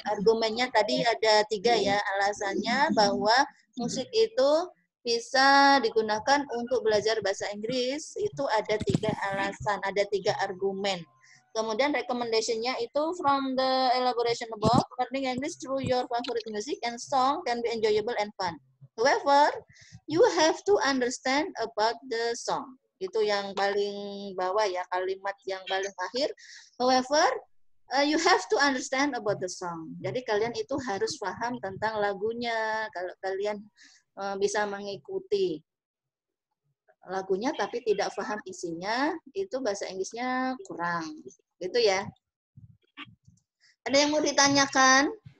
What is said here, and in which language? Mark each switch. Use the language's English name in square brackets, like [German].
[Indonesian] Argumennya tadi ada tiga ya, alasannya bahwa musik itu bisa digunakan untuk belajar bahasa Inggris, itu ada tiga alasan, ada tiga argumen. Kemudian recommendation-nya itu, [English] from the elaboration above, learning English through your favorite music and song can be enjoyable and fun. However, you have to understand about the song. [Indonesian] Itu yang paling bawah ya, kalimat yang paling akhir. [English] However, you have to understand about the song. [Indonesian] Jadi kalian itu harus paham tentang lagunya. Kalau kalian bisa mengikuti lagunya tapi tidak paham isinya, itu bahasa Inggrisnya kurang. Gitu ya. Ada yang mau ditanyakan?